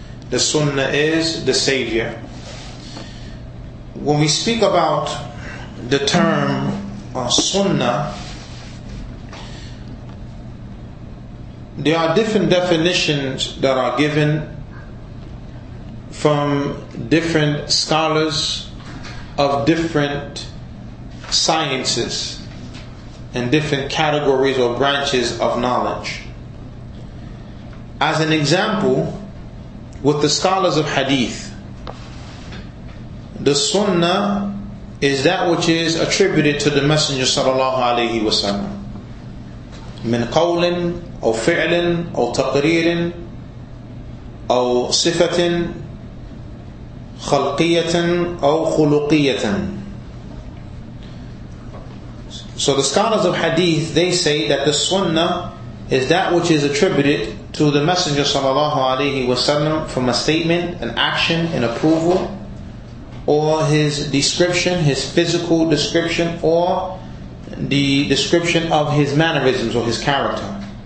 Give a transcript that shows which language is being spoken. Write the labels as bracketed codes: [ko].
[en] The sunnah is the savior. When we speak about the term sunnah, there are different definitions that are given from different scholars of different sciences and different categories or branches of knowledge. As an example, with the scholars of hadith, the sunnah is that which is attributed to the Messenger sallallahu alayhi wa sallam. [ar] من قول أو فعل أو تقرير أو صفة خلقية أو خلقية. [en] So the scholars of hadith, they say that the sunnah is that which is attributed to the Messenger sallallahu alayhi wa sallam from a statement, an action, an approval, or his description, his physical description, or the description of his mannerisms or his character.